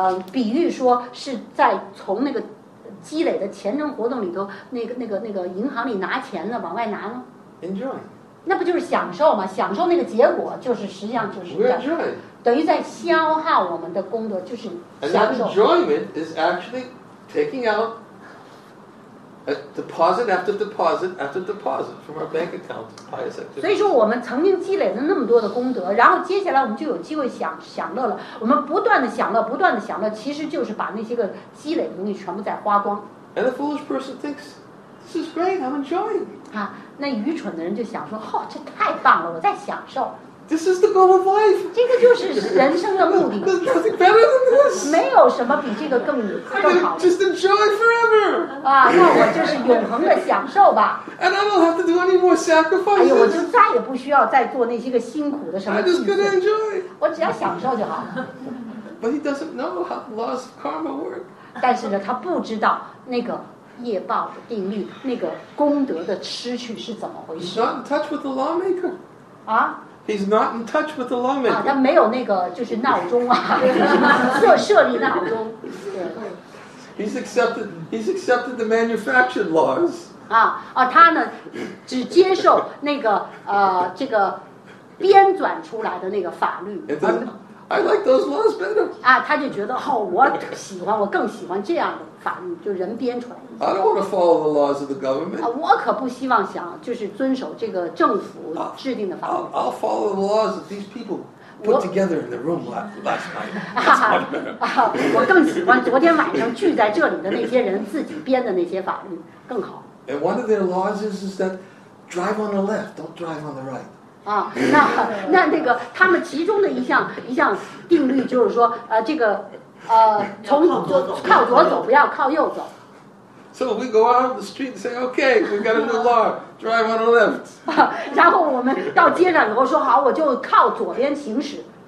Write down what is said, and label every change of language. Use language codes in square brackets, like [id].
[zh] 比喻说是在从那个积累的钱程活动里头，那个银行里拿钱呢，往外拿呢。 [en] Enjoy。 [zh] 那不就是享受吗？享受那个结果，就是实际上就是。 [en] We're enjoying。 [zh] 等于在消耗我们的功德，就是享受。 [en] And that enjoyment is actually taking out a deposit after deposit after deposit from our bank account to pay us. [zh] 所以说我们曾经积累了那么多的功德，然后接下来我们就有机会享乐了。我们不断的享乐，不断的享乐，其实就是把那些个积累的东西全部再花光。 [en] And a foolish person thinks this is great. I'm enjoying. [zh] 啊，那愚蠢的人就想说，哦，这太棒了，我在享受。 [en] This is the goal of life. [zh] 这个就是人生的目的。 [en] Nothing better than this. [zh] 没有什么比这个更好的。 [en] Just enjoy forever. [zh] 啊，那我就是永恒的享受吧。 [en] And I don't have to do any more sacrifices. [zh] 哎呦，我就再也不需要再做那些个辛苦的什么。 [en] I just gonna enjoy. [zh] 我只要享受就好。 [en] But he doesn't know how the laws of karma work. [zh] 但是呢，他不知道那个业报的定律，那个功德的失去是怎么回事。 [en] He's not in touch with the lawmaker. 啊？ He's not in touch with the lawmaker. [zh] 他没有那个就是闹钟啊，设立闹钟。 [en] He's accepted the manufactured laws. [zh] 啊，他呢只接受那个这个编纂出来的那个法律。 [en] I like those laws better. [zh] 啊，他就觉得哦，我更喜欢这样的法律，就人编出来。 [en] I don't want to follow the laws of the government. [zh] 啊，我可不希望想就是遵守这个政府制定的法律。 [en] I'll follow the laws of these people put together in the room last night. That's much better. [zh] 我更喜欢昨天晚上聚在这里的那些人自己编的那些法律更好。 [en] And one of their laws is that drive on the left, don't drive on the right. [zh] 啊，那个他们其中的一项定律就是说，这个从靠左走，不要靠右走。 [en] So we go out on the street and say, okay, we got a new law, drive on the left. [zh] 然后我们到街上以后说好，我就靠左边行驶。